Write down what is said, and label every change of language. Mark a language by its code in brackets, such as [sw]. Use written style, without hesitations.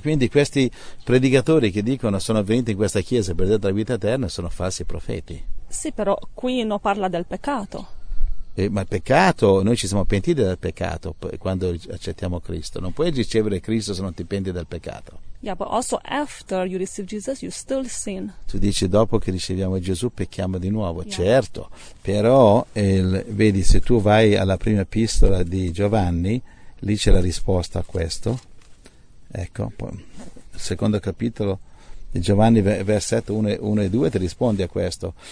[it] Quindi questi predicatori che dicono sono venuti in questa chiesa per dare la vita eterna sono falsi profeti. Sì, però qui non parla del peccato. Ma il peccato, noi ci siamo pentiti dal peccato quando accettiamo Cristo. Non puoi ricevere Cristo se non ti penti dal peccato. [en] Yeah, but also after you receive Jesus, you still sin. [it] Tu dici dopo che riceviamo Gesù pecchiamo di nuovo. [en] Yeah. [it] Certo, però vedi, se tu vai alla prima epistola di Giovanni, lì c'è la risposta a questo. Ecco, poi, il secondo capitolo di Giovanni, versetto 1 e 2, ti risponde a questo.